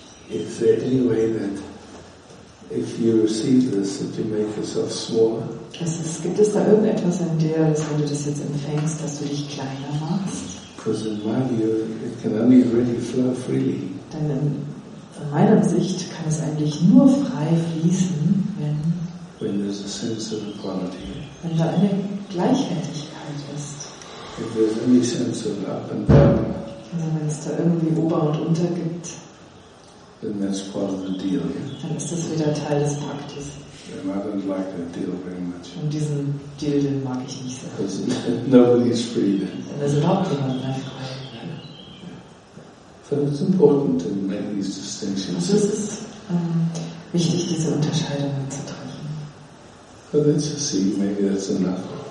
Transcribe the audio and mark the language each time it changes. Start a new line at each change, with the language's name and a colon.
English: Is there any way that if you receive this, that you make yourself smaller?
German: Gibt es da irgendetwas in dir, dass wenn du das jetzt empfängst, dass du dich kleiner machst?
English: Because in my view, it can only really flow freely.
German: Denn in meiner Sicht kann es eigentlich nur frei fließen, wenn
English: there's a sense of equality.
German: Wenn da eine Gleichwertigkeit ist.
English: If there's any sense of up and down.
German: Also wenn es da irgendwie Ober und Unter gibt,
English: then that's part of the deal, yeah?
German: Dann ist das wieder Teil des Paktes.
English: And I don't like that deal very much.
German: Und diesen Deal, den mag ich nicht sehr.
English: Because nobody is free then.
German: Dann ist überhaupt niemand mehr frei.
English: So it's important to make these distinctions.
German: Also es ist wichtig, diese Unterscheidungen zu treffen.
English: So let's see, maybe that's enough.